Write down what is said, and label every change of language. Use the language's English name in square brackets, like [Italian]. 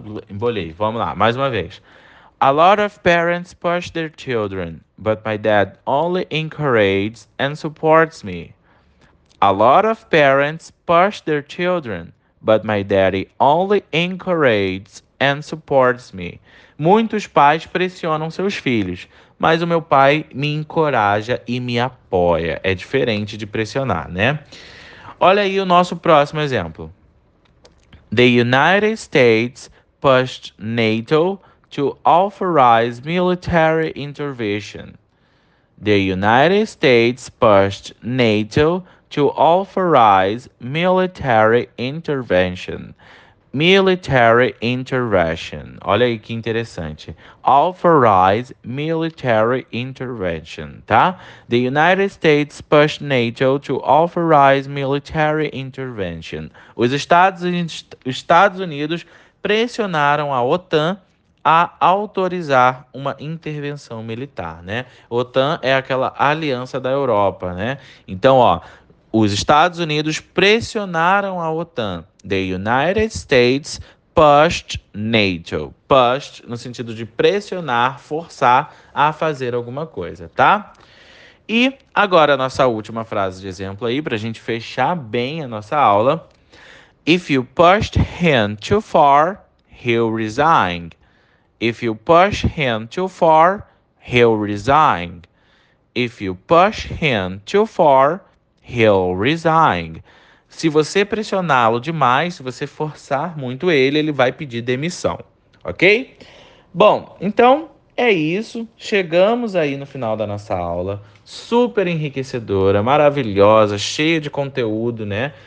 [Portuguese] Embolei, vamos lá, mais uma vez. [English] A lot of parents push their children, but my dad only encourages and supports me. A lot of parents push their children, but my daddy only encourages and supports me. [Portuguese] Muitos pais pressionam seus filhos, mas o meu pai me encoraja e me apoia. É diferente de pressionar, né? Olha aí o nosso próximo exemplo. [English] The United States pushed NATO to authorize military intervention. The United States pushed NATO to authorize military intervention. Military intervention. [Portuguese] Olha aí que interessante. [English] Authorize military intervention, tá? The United States pushed NATO to authorize military intervention. [Portuguese] Os Estados Unidos pressionaram a OTAN a autorizar uma intervenção militar, né? OTAN é aquela aliança da Europa, né? Então, ó, os Estados Unidos pressionaram a OTAN. [English] The United States pushed NATO. [Portuguese] Pushed no sentido de pressionar, forçar a fazer alguma coisa, tá? E agora a nossa última frase de exemplo aí, pra gente fechar bem a nossa aula. [English] If you pushed him too far, he'll resign. If you push him too far, he'll resign. If you push him too far, he'll resign. [Portuguese] Se você pressioná-lo demais, se você forçar muito ele, ele vai pedir demissão. Ok? Bom, então é isso. Chegamos aí no final da nossa aula. Super enriquecedora, maravilhosa, cheia de conteúdo, né?